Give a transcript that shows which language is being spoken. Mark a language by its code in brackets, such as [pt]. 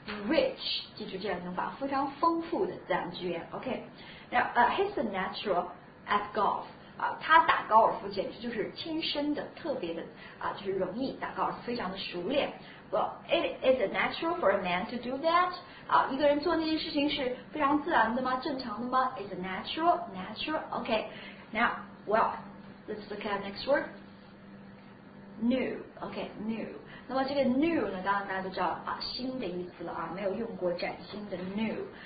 [zh] Rich, 记住这样的用法，非常丰富的自然资源。 [en] OK, now, he's a natural at golf. [zh] 啊，他打高尔夫简直就是天生的，特别的啊，就是容易打高尔夫，非常的熟练。 [en] Well, it is natural for a man to do that. [zh] 啊，一个人做那件事情是非常自然的吗？正常的吗 [en] ？Is natural, natural. OK, now, well, let's look at next word. New. OK, new. [zh] 那么这个 new 呢，当然大家都知道啊，新的意思了啊，没有用过崭新的 new。